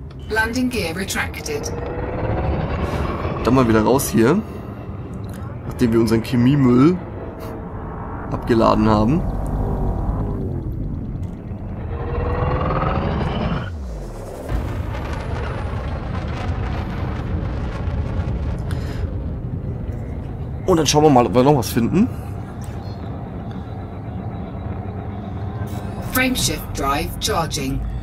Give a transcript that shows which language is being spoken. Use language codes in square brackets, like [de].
[en] Landing gear retracted. [de] Dann mal wieder raus hier, nachdem wir unseren Chemiemüll abgeladen haben. Und dann schauen wir mal, ob wir noch was finden. [en] Frameshift Drive charging.